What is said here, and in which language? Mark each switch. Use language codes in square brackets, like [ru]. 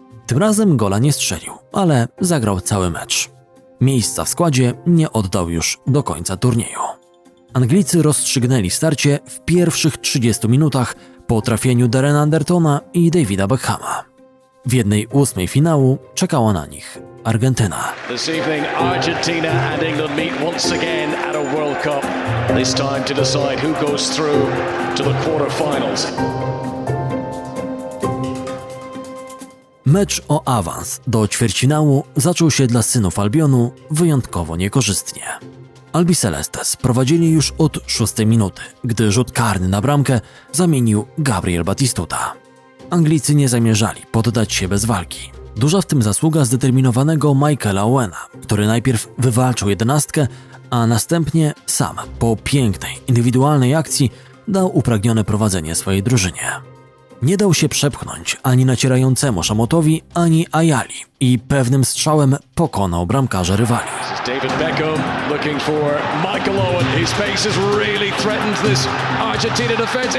[pl] Tym razem gola nie strzelił, ale zagrał cały mecz. Miejsca w składzie nie oddał już do końca turnieju. Anglicy rozstrzygnęli starcie w pierwszych 30 minutach po trafieniu Darrena Andertona i Davida Beckhama. W 1/8 finału czekała na nich Argentyna. [en] This evening, Argentina and England meet once again at a World Cup. This time to decide who goes through to the quarterfinals. [pl] Mecz o awans do ćwierćfinału zaczął się dla synów Albionu wyjątkowo niekorzystnie. Albicelestes prowadzili już od 6 minuty, gdy rzut karny na bramkę zamienił Gabriel Batistuta. Anglicy nie zamierzali poddać się bez walki. Duża w tym zasługa zdeterminowanego Michaela Owena, który najpierw wywalczył jedenastkę, a następnie sam po pięknej, indywidualnej akcji dał upragnione prowadzenie swojej drużynie. Nie dał się przepchnąć ani nacierającemu Szamotowi, ani Ayali i pewnym strzałem pokonał bramkarza rywali. [en] David Beckham looking for Michael Owen. His face is really threatened this Argentina defense.